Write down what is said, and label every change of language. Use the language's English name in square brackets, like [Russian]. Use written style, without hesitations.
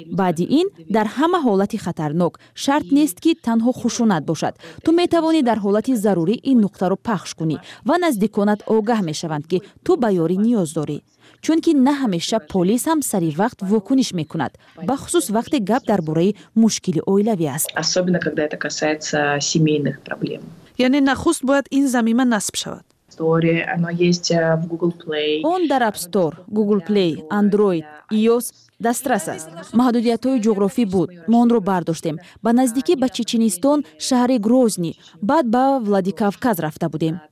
[Persian] بعد این در همه حالت خطرناک، شرط نیست که تنها خشونت باشد. تو میتوانی در حالت ضروری این نقطه را پخش کنی و نزدیکانت آگاه میشوند که تو به یاری نیاز داری. چون که نه همیشه پلیس هم سری وقت واکنش میکند، به خصوص وقتی گپ درباره مشکل اویلوی است. [Russian] особенно когда это касается семейных проблем. [Persian] یعنی نخست باید این زمینه نصب شود. اون در اپ استور، گوگل پلی، اندروید، iOS دسترس است. محدودیت‌های جغرافی بود. ما اون رو برداشتیم. با نزدیکی به چچنستان، شهر گروزنی، بعد با ولادیکافکاز رفته بودیم.